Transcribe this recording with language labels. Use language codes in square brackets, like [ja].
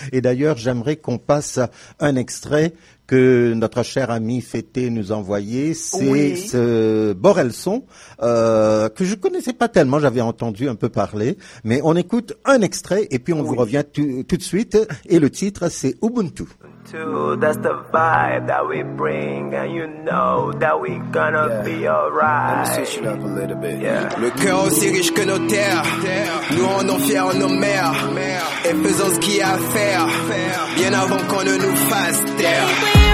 [fr] Et d'ailleurs, j'aimerais qu'on passe un extrait que notre cher ami Fété nous a envoyé, c'est ce Borelson, que je connaissais pas tellement, j'avais entendu un peu parler, mais on écoute un extrait et puis on vous revient tout de suite, et le titre c'est Ubuntu. [en] That's the vibe that we bring, and you know that we gonna be alright. [fr] Le cœur aussi riche que nos terres, nous rendons fiers nos mères, et faisons ce qu'il y a à faire, bien avant qu'on ne nous fasse taire.